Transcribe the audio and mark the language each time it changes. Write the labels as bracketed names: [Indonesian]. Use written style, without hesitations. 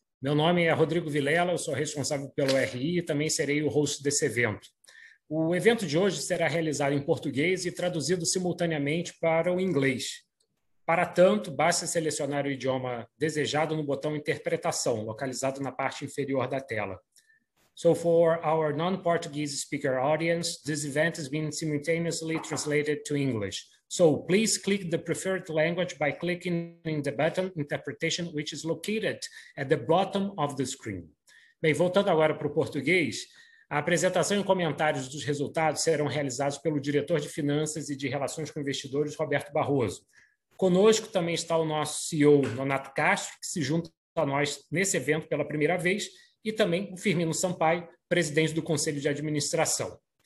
[Portuguese] Meu nome é Rodrigo Vilela, eu sou responsável pelo RI e também serei o host desse evento. O evento de hoje será realizado em português e traduzido simultaneamente para o inglês. Para tanto, basta selecionar o idioma desejado no botão Interpretação, localizado na parte inferior da tela. [English] So for our non-Portuguese speaker audience, this event is being simultaneously translated to English. So please click the preferred language by clicking in the button Interpretation, which is located at the bottom of the screen. [Portuguese] Bem, voltando agora para o português, a apresentação e comentários dos resultados serão realizados pelo diretor de Finanças e de Relações com Investidores, Roberto Barroso. Conosco também está o nosso CEO, Nonato Castro, que se junta a nós nesse evento pela primeira vez, e também o Firmino Sampaio, presidente do Conselho de Administração.